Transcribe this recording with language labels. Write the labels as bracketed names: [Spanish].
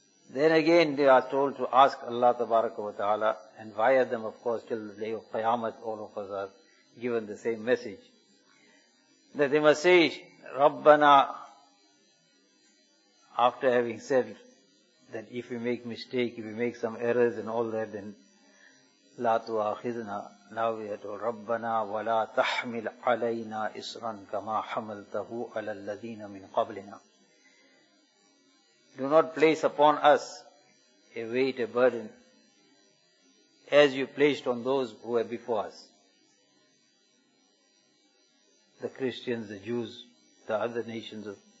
[English] Then again, they are told to ask Allah tabaraka wa ta'ala, and via them, of course, till the day of Qiyamah, all of us are given the same message. That they must say, Rabbana, after having said that if we make mistake, if we make some errors and all that, then [Arabic] لَا تُوَاخِذْنَا. [English] Now we are told, [Arabic] رَبَّنَا وَلَا تَحْمِلْ عَلَيْنَا إِسْرًا كَمَا حَمَلْتَهُ عَلَى الَّذِينَ مِنْ قَبْلِنَا. [English] Do not place upon us a weight, a burden, as you placed on those who were before us. The Christians, the Jews, the other nations of...